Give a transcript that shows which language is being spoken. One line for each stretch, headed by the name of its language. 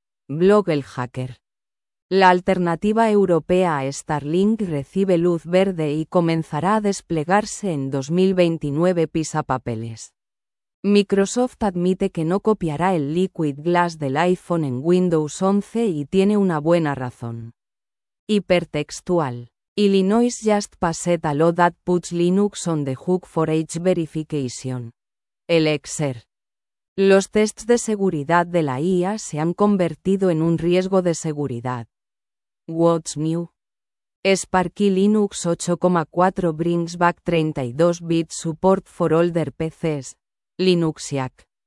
Spanish: Blog El Hacker. La alternativa europea a Starlink recibe luz verde y comenzará a desplegarse en 2029 pisapapeles. Microsoft admite que no copiará el Liquid Glass del iPhone en Windows 11 y tiene una buena razón. Hipertextual.
English: Illinois just passed a law that puts Linux on the hook for age verification. Elixir.
Spanish: Los tests de seguridad de la IA se han convertido en un riesgo de seguridad.
English: What's new? Sparky Linux 8.4 brings back 32-bit support for older PCs. Linuxiac.